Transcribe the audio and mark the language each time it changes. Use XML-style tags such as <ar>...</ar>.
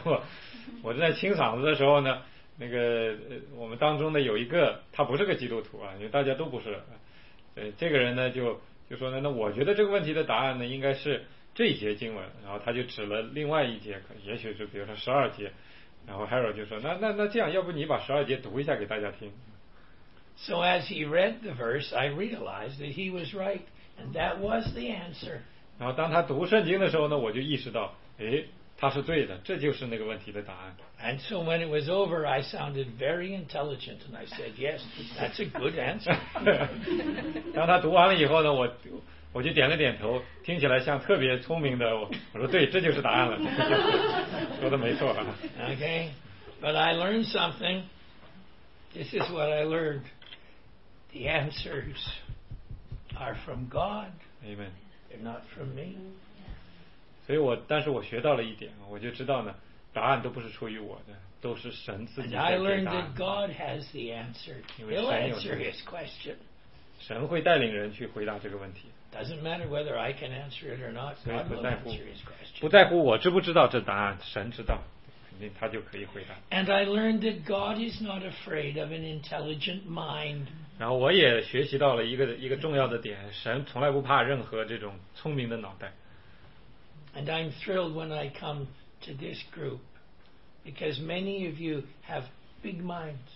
<zh>等我在清嗓子的时候呢，那个我们当中的有一个他不是个基督徒啊，因为大家都不是。这个人呢就说呢，那我觉得这个问题的答案呢应该是这一节经文，然后他就指了另外一节，也许是比如说十二节，然后 Harold 就说，那这样，要不你把十二节读一下给大家听。</zh> <en>So as he read the verse, I realized that he was right, and that was the answer.</en> <zh>然后当他读圣经的时候呢，我就意识到，哎，他是对的，这就是那个问题的答案。</zh> <en>And so when it was over, I sounded very intelligent, and I said, yes, that's a good answer.</en> <zh>当他读完了以后呢，我。我就点了点头，听起来像特别聪明的。我说对，这就是答案了，说的没错。</zh> <en>Okay, but I learned something. This is what I learned. The answers are from God. Amen. They're not from me.</en> <zh>所以我，但是我学到了一点，我就知道呢，答案都不是出于我的，都是神自己在给答案。</zh> <en>And I learned that God has the answer. He'll answer his question.</en> <zh>神会带领人去回答这个问题。</zh> <en>Doesn't matter whether I can answer it or not. God will answer his question.</en> <zh>不在乎我知不知道这答案，神知道，肯定他就可以回答。</zh> <en>And I learned that God is not afraid of an intelligent mind.</en> <zh>然后我也学习到了一个重要的点，神从来不怕任何这种聪明的脑袋。</zh> <en>And I'm thrilled when I come to this group because many of you have big minds.</en>